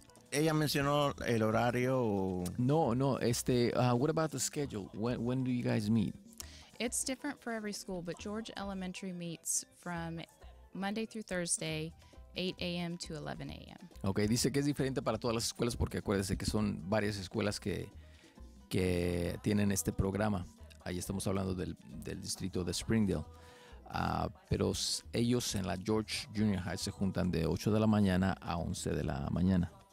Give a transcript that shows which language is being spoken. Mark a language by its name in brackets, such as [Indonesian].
[Spanish] Ella mencionó el horario. [English] What about the schedule? When do you guys meet? It's different for every school, but George Elementary meets from Monday through Thursday, 8 a.m. to 11 a.m. [Spanish] Okay, dice que es diferente para todas las escuelas porque acuérdese que son varias escuelas que tienen este programa. Ahí estamos hablando del distrito de Springdale. Pero ellos en la George Junior High se juntan de 8 de la mañana a 11 de la mañana.